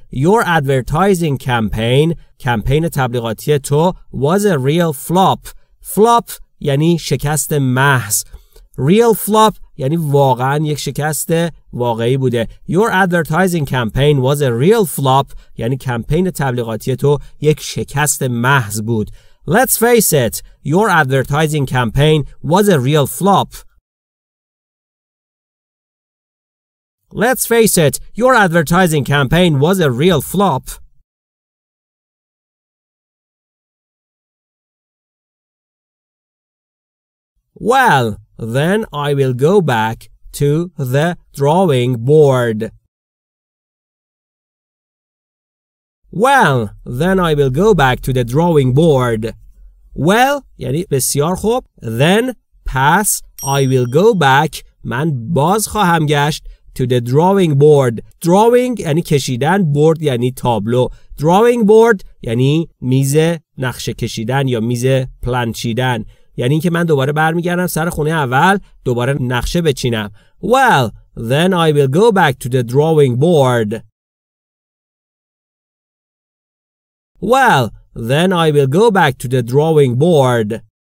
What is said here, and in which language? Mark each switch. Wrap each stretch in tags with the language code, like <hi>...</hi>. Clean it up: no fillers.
<en>Your advertising campaign،</en> <fa>کمپین تبلیغاتی تو،</fa> <en>was a real flop. Flop</en> <fa>یعنی شکست محض.</fa> <en>Real flop</en> <fa>یعنی واقعا یک شکست واقعی بوده.</fa> <en>Your advertising campaign was a real flop،</en> <fa>یعنی کمپین تبلیغاتی تو یک شکست محض بود.</fa> <en>Let's face it، your advertising campaign was a real flop. Let's face it، your advertising campaign was a real flop. Well، then I will go back to the drawing board. Well، then I will go back to the drawing board.</en> <fa>Well، یعنی بسیار خوب. Then، پس.</fa> <en>I will go back،</en> <fa>من باز خواهم گشت.</fa> <en>To the drawing board. Drawing یعنی کشیدن. Board یعنی تابلو.</en> <fa>Drawing board یعنی میز نقشه کشیدن یا میز پلان چیدن. یعنی که من دوباره برمیگردم سر خونه اول، دوباره نقشه بچینم.</fa> <en>Well، then I will go back to the drawing board. Well، then I will go back to the drawing board.</en>